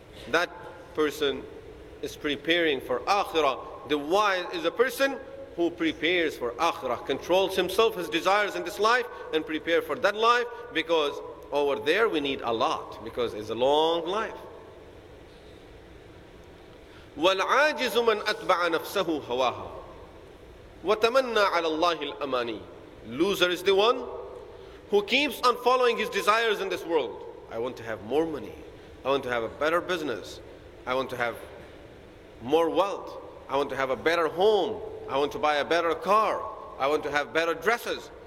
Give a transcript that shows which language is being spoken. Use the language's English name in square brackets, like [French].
[English] That person is preparing for akhirah. The wise is a person who prepares for akhirah, controls himself, his desires in this life, and prepare for that life, because over there we need a lot, because it's a long life. [Arabic] والعاجز من أتبع نفسه هواها وتمنى على الله الأماني. [English] Loser is the one who keeps on following his desires in this world. I want to have more money. I want to have a better business. I want to have more wealth. I want to have a better home. I want to buy a better car. I want to have better dresses.